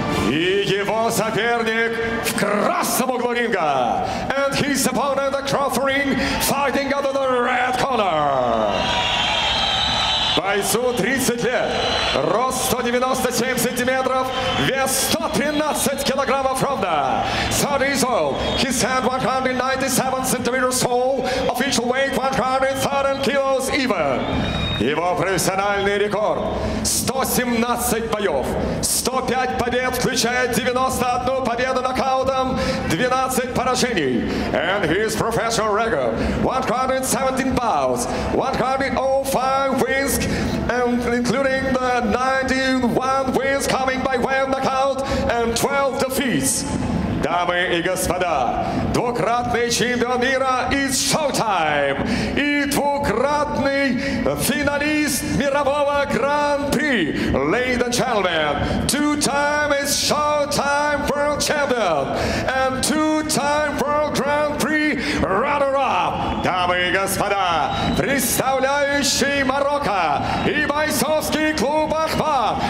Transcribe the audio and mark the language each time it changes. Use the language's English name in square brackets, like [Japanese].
[Russian] И его соперник в красном углу ринга. [English] His opponent, the cross ring, fighting under the red corner. [Russian] Бойцу 30 лет, рост 197 сантиметров, вес 113 килограммов ровно. [English] 30 years old, he stands 197 centimeters tall, official weight 130 kilos even. [Russian] Его профессиональный рекорд 117 боев, 105 побед, включая 91 победу нокаутом, 12 поражений. [English] And his professional record 117 bouts, 105 wins, and including the 91 wins coming by way of knockout and 12 defeats. [Russian] Дамы и господа, двукратный чемпион мира из Showtime и двукратный финалист мирового гран-при. [English] Ladies and gentlemen, two-time is Showtime World Champion and two-time World Grand Prix Runner-Up. [Russian] Дамы и господа, представляющий Марокко и бойцовский клуб «Ахмат».